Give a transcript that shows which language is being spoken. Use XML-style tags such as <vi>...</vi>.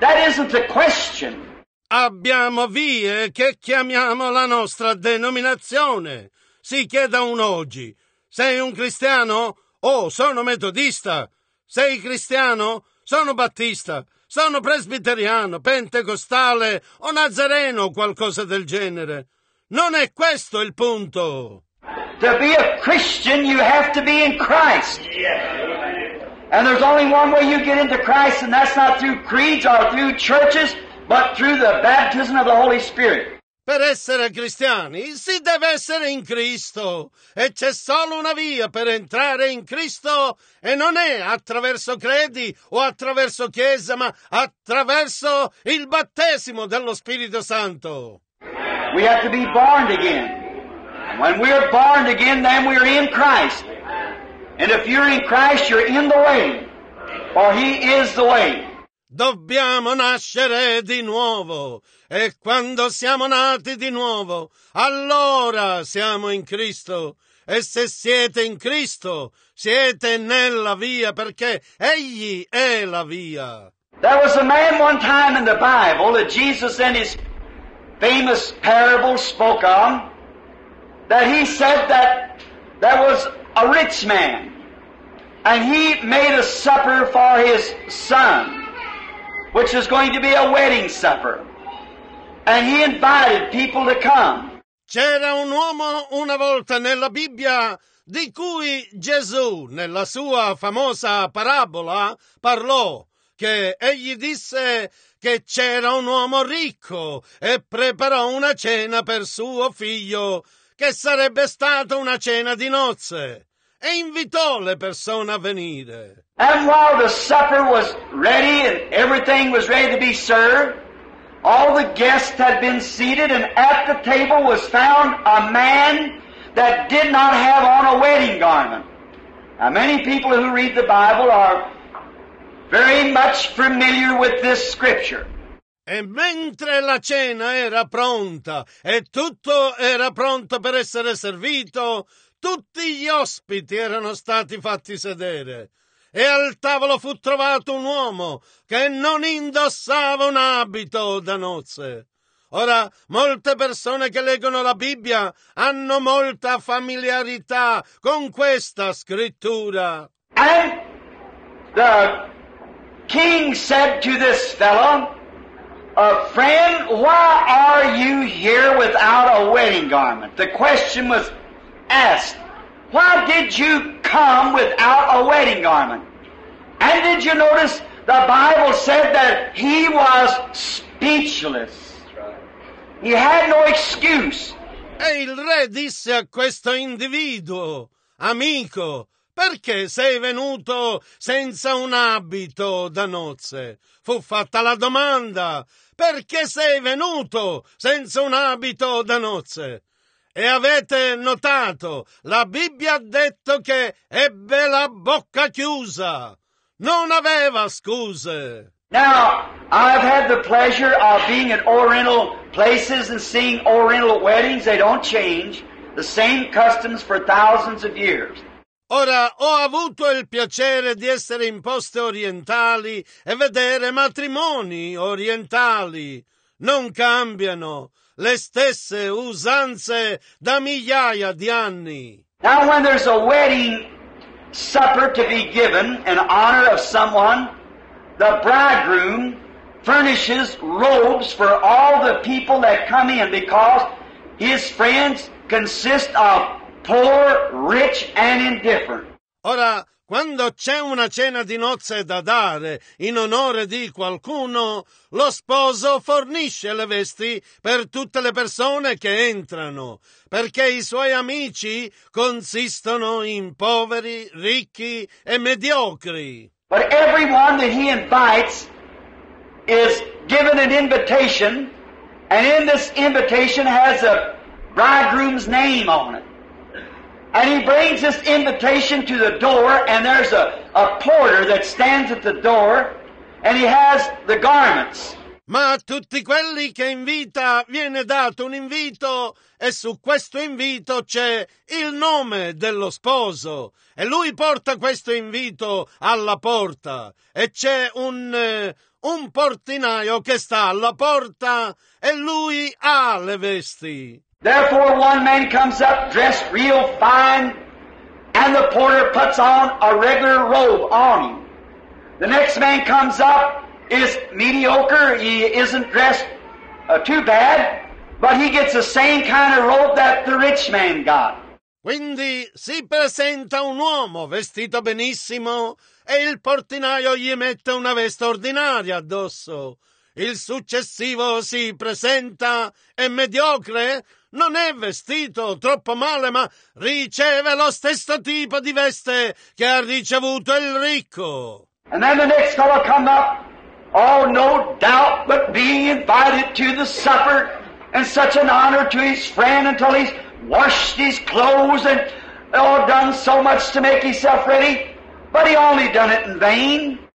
<en>That isn't the question.</en> <it>Abbiamo vie che chiamiamo la nostra denominazione. Si chieda uno oggi, sei un cristiano? Oh, sono metodista. Sei cristiano? Sono battista. Sono presbiteriano, pentecostale o nazareno o qualcosa del genere. Non è questo il punto.</it> <en>To be a Christian you have to be in Christ. Yeah. And there's only one way you get into Christ, and that's not through creeds or through churches, but through the baptism of the Holy Spirit.</en> <it>Per essere cristiani si deve essere in Cristo e c'è solo una via per entrare in Cristo e non è attraverso credi o attraverso chiesa ma attraverso il battesimo dello Spirito Santo.</it> <en>We have to be born again. When we are born again, then we are in Christ. And if you're in Christ, you're in the way. For he is the way.</en> <it>Dobbiamo nascere di nuovo, e quando siamo nati di nuovo, allora siamo in Cristo. E se siete in Cristo, siete nella via, perché Egli è la via.</it> <en>There was a man one time in the Bible that Jesus in his famous parable spoke on, that he said that there was a rich man, and he made a supper for his son, which is going to be a wedding supper. And he invited people to come.</en> <it>C'era un uomo una volta nella Bibbia di cui Gesù, nella sua famosa parabola, parlò, che egli disse che c'era un uomo ricco e preparò una cena per suo figlio, che sarebbe stata una cena di nozze, e invitò le persone a venire.</it> <en>And while the supper was ready and everything was ready to be served, all the guests had been seated, and at the table was found a man that did not have on a wedding garment. Now, many people who read the Bible are very much familiar with this scripture.</en> <it>E mentre la cena era pronta e tutto era pronto per essere servito, tutti gli ospiti erano stati fatti sedere. E al tavolo fu trovato un uomo che non indossava un abito da nozze. Ora, molte persone che leggono la Bibbia hanno molta familiarità con questa scrittura.</it> <en>And the king said to this fellow, a friend, why are you here without a wedding garment? The question was asked, why did you come without a wedding garment? And did you notice the Bible said that he was speechless? He had no excuse.</en> <it>E il re disse a questo individuo, amico, perché sei venuto senza un abito da nozze? Fu fatta la domanda, perché sei venuto senza un abito da nozze? E avete notato, la Bibbia ha detto che ebbe la bocca chiusa. Non aveva scuse.</it> <en>Now, I've had the pleasure of being at Oriental places and seeing Oriental weddings. They don't change. The same customs for thousands of years.</en> <it>Ora, ho avuto il piacere di essere in posti orientali e vedere matrimoni orientali. Non cambiano le stesse usanze da migliaia di anni.</it> <en>Now, when there's a wedding supper to be given in honor of someone, the bridegroom furnishes robes for all the people that come in, because his friends consist of poor, rich, and indifferent.</en> <it>Ora, quando c'è una cena di nozze da dare in onore di qualcuno, lo sposo fornisce le vesti per tutte le persone che entrano, perché i suoi amici consistono in poveri, ricchi e mediocri.</it> <en>But everyone that he invites is given an invitation, and in this invitation has a bridegroom's name on it. And he brings this invitation to the door, and there's a porter that stands at the door, and he has the garments.</en> <it>Ma a tutti quelli che invita viene dato un invito, e su questo invito c'è il nome dello sposo. E lui porta questo invito alla porta, e c'è un portinaio che sta alla porta, e lui ha le vesti.</it> <en>Therefore one man comes up dressed real fine, and the porter puts on a regular robe on him. The next man comes up, is mediocre, he isn't dressed too bad, but he gets the same kind of robe that the rich man got.</en> <it>Quindi si presenta un uomo vestito benissimo, e il portinaio gli mette una veste ordinaria addosso. Il successivo si presenta, è mediocre, non è vestito troppo male, ma riceve lo stesso tipo di veste che ha ricevuto il ricco.</it> <en>And then the next fellow come up, oh, no doubt but being invited to the supper, and such an honor to his friend, until he's washed his clothes and all done so much to make himself ready, but he only done it in vain.</en>